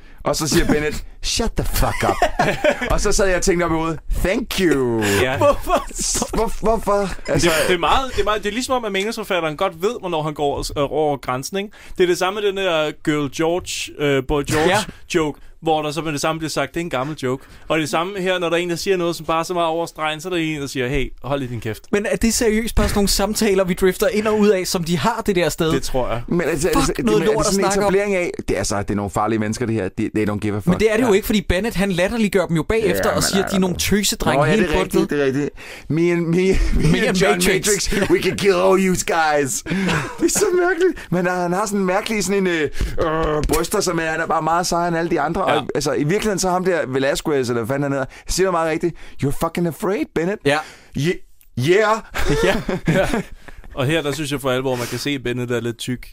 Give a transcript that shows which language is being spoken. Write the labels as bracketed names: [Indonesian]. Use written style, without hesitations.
[Danish] Og så siger Bennett, [English] shut the fuck up. [Danish] Og så sad jeg og tænkte op i hovedet, [English] thank you. [Danish] Ja. Hvorfor? Altså... Det er meget, det er ligesom om, at meningsforfatteren godt ved, hvornår han går over grænsen. Ikke? Det er det samme med den der Girl George, Boy George joke, hvor der så med det samme bliver sagt, det er en gammel joke. Og det samme her, når der er en, der siger noget, som bare er så meget over stregen, så er der en, der siger, hey, hold lige din kæft. Men er det seriøst bare sådan nogle samtaler, vi drifter ind og ud af, som de har det der sted? Det tror jeg. Men altså, er det sådan en etablering af, det er, altså, det er nogle farlige mennesker, det her, [English] they don't give a fuck. [Danish] Men det er det jo ikke, fordi Bennett, han latterliggør dem jo bagefter, og siger, at de er nogle tøsedrenge helt bundet. Det er rigtigt. [English] Me and John Matrix, we can kill all you guys. [Danish] Det er så mærkeligt. Men han har sådan en mærkelig bryster, som er, han er bare meget sej end alle de andre. Ja. Og, altså, i virkeligheden, så ham der Velasquez, eller hvad fanden han hedder, siger jo meget rigtigt, [English] you're fucking afraid, Bennett. [Danish] Ja. [English] Yeah. [Danish] Ja. Og her, der synes jeg for alvor, man kan se, at Bennett er lidt tyk.